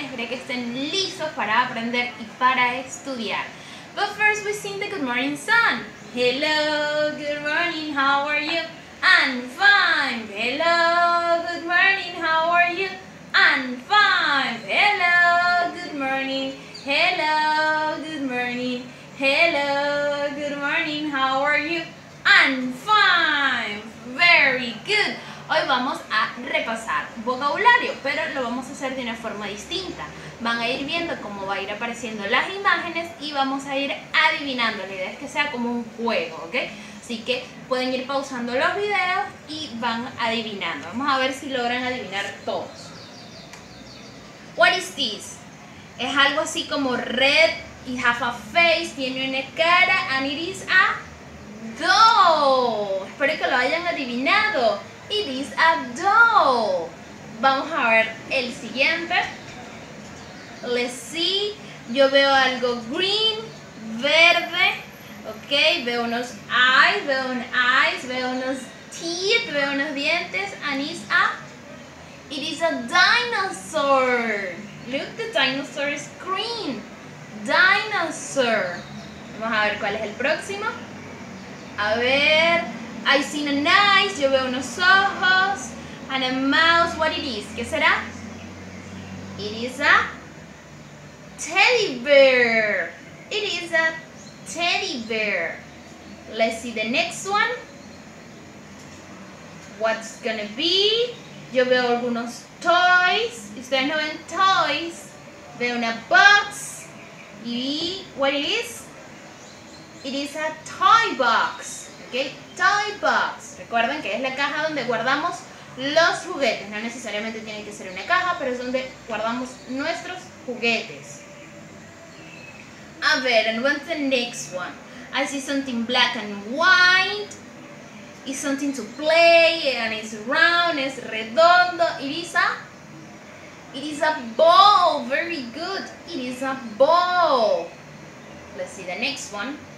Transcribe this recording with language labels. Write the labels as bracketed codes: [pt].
[es] que estén listos para aprender y para estudiar. [en] But first we sing the good morning song. Hello, good morning, how are you? I'm fine. Hello, good morning, how are you? I'm fine. Hello, good morning. Hello, good morning. Hello, good morning, how are you? I'm fine. Very good. [es] Hoy vamos a repasar vocabulario, pero lo vamos a hacer de una forma distinta. Van a ir viendo cómo va a ir apareciendo las imágenes y vamos a ir adivinando. La idea es que sea como un juego, ¿ok? Así que pueden ir pausando los videos y van adivinando. Vamos a ver si logran adivinar todos. [en] What is this? [es] Es algo así como [en] red y half a face, [es] tiene una cara, [en] and it is a doll. [es] Espero que lo hayan adivinado. [en] It is a doll. [es] Vamos a ver el siguiente. [en] Let's see. [es] Yo veo algo green, verde. Ok, veo unos eyes, veo unos teeth, veo unos dientes. [en] And it is a dinosaur. Look, the dinosaur is green. Dinosaur. [es] Vamos a ver cuál es el próximo. A ver. [en] I see an eyes, [es] yo veo unos ojos, [en] and a mouse, what it is, [es] ¿qué será? [en] It is a teddy bear, it is a teddy bear. Let's see the next one, what's gonna be, [es] yo veo algunos [en] toys, [es] ustedes no ven [en] toys, veo una box, y what it is a toy box. Okay, toy box. [es] Recuerden que es la caja donde guardamos los juguetes. No necesariamente tiene que ser una caja, pero es donde guardamos nuestros juguetes. A ver, [en] and what's the next one? I see something black and white. It's something to play. And it's round, it's redondo. It is a ball. Very good. It is a ball. Let's see the next one.